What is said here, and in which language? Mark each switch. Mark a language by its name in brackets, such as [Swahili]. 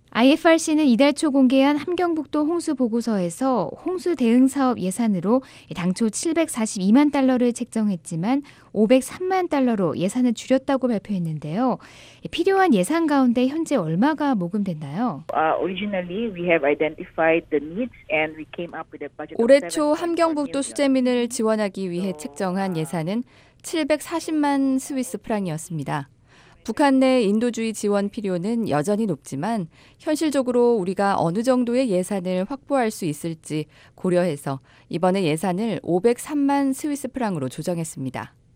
[Korean] IFRC는 이달 초 공개한 함경북도 홍수 보고서에서 홍수 대응 사업 예산으로 당초 742만 달러를 책정했지만 503만 달러로 예산을 줄였다고 발표했는데요. 필요한 예산 가운데 현재 얼마가 모금됐나요? [English] Originally we have identified the needs and we came up with a budget. [Korean] 올해 초 함경북도 수재민을 지원하기 위해 책정한 예산은 740만 스위스 프랑이었습니다. 북한 내 인도주의 지원 필요는 여전히 높지만 현실적으로 우리가 어느 정도의 예산을 확보할 수 있을지 고려해서 이번에 예산을 503만 스위스 프랑으로 조정했습니다.